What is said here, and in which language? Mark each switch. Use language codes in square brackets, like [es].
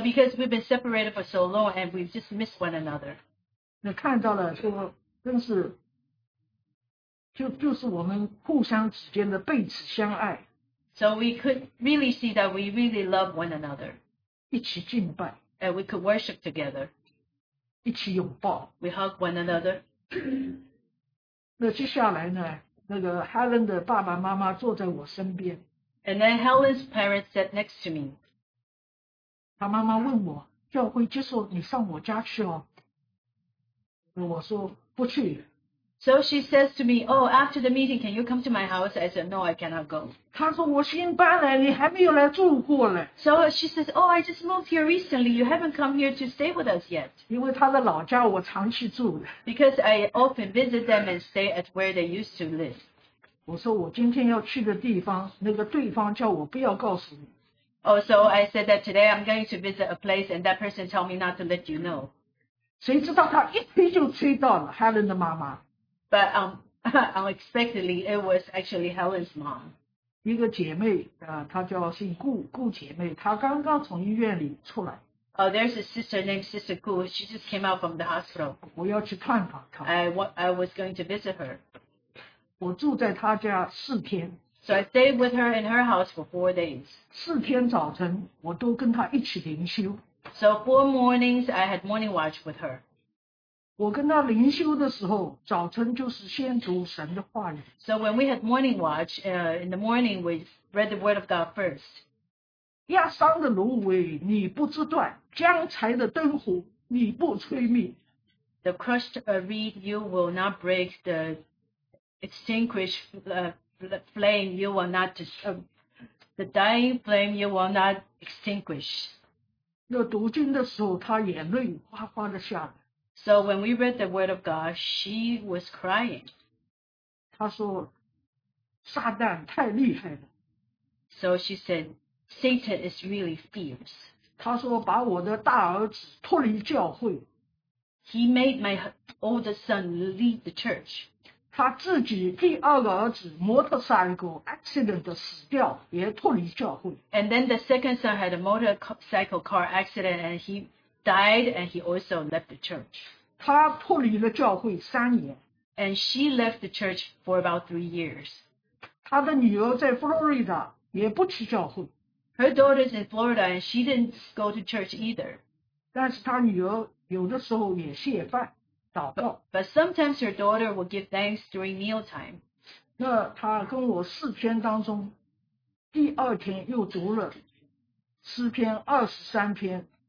[en] because we've been separated for so long, and we've just missed one another. [zh] 那看到了，说真是。就是我们互相之间的彼此相爱。 [en] So we could really see that we really love one another. [zh] 一起敬拜。 [en] And we could worship together. [zh] 一起拥抱。 [en] We hug one another. [zh] 那接下来呢，那个Helen的爸爸妈妈坐在我身边。 [en] And then Helen's parents sat next to me. [zh] 她妈妈问我，教会接受你上我家去哦。我说不去。 [en] So she says to me, oh, after the meeting, can you come to my house? I said, no, I cannot go. [zh] 她说我新搬来，你还没有来住过呢。 [en] So she says, oh, I just moved here recently. You haven't come here to stay with us yet. [zh] 因为她的老家我常去住。 [en] Because I often visit them and stay at where they used to live. [zh] 我说我今天要去的地方，那个对方叫我不要告诉你。 [en] Oh, so I said that today I'm going to visit a place and that person told me not to let you know. [zh] 谁知道他一推就推到了 Helen 的妈妈。 [en] But unexpectedly, it was actually Helen's mom. [zh] 一个姐妹，她叫姓顾，顾姐妹，她刚刚从医院里出来。 [en] Oh, there's a sister named Sister Gu. She just came out from the hospital. [zh] 我要去探访她。 [en] I was going to visit her. [zh] 我住在她家四天。 [en] So I stayed with her in her house for 4 days. [zh] 四天早晨，我都跟她一起灵修。 [en] So 4 mornings, I had morning watch with her. [zh] 我跟她灵修的时候，早晨就是先读神的话语。 [en] So when we had morning watch, in the morning, we read the word of God first. [zh] 压伤的芦苇你不折断，将柴的灯火你不吹灭。 [en] The crushed reed you will not break, the extinguished flame you will not the dying flame you will not extinguish. [zh] 那读经的时候，她眼泪哗哗的下来。 [en] So when we read the word of God, she was crying. [zh] 她说，撒旦太厉害了。 [en] So she said, Satan is really fierce. [zh] 她说，把我的大儿子脱离教会。 [en] He made my oldest son leave the church. [zh] 她自己第二个儿子摩托赛车 accident 死掉，也脱离教会。 [en] And then the second son had a motorcycle car accident and he died and he also left the church. [zh] 他脱离了教会3年。 [en] And she left the church for about 3 years. [zh] 他的女儿在 Florida 也不去教会。 [en] Her daughter's in Florida and she didn't go to church either. [zh] 但是他女儿有的时候也谢饭祷告。 [en] But sometimes her daughter will give thanks during meal time. [zh] 那他跟我四天当中，第二天又读了23篇。